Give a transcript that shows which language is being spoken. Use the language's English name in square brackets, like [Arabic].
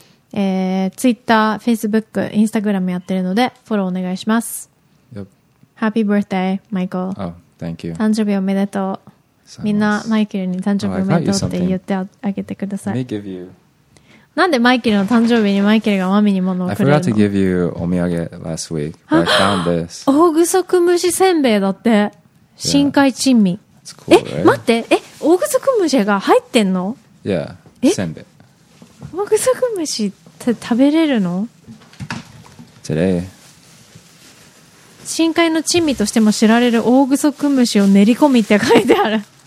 [Japanese] Twitter、Facebook、Instagram やってるのでフォローお願いします。 [English] Yep. Happy birthday, Michael. Oh, thank you. [Japanese] 誕生日おめでとう。みんなマイケルに誕生日おめでとうって言ってあげてください。 [English] Let me give you... [Japanese] なんでマイケルの誕生日にマイケルがマミにものをくれるの。 [English] I forgot to give you お土産 last week, but I found this. [Japanese] 大具足虫せんべいだって。 [English] Yeah. [Japanese] 深海珍味。 [English] Cool, right? [Japanese] 待って、オオグソクムシが入ってんの？ [English] Yeah, [Japanese] せんべい。オオグソクムシ食べれるの？ [English] Today. [Japanese] 深海の珍味としても知られるオオグソクムシを練り込みって書いてある。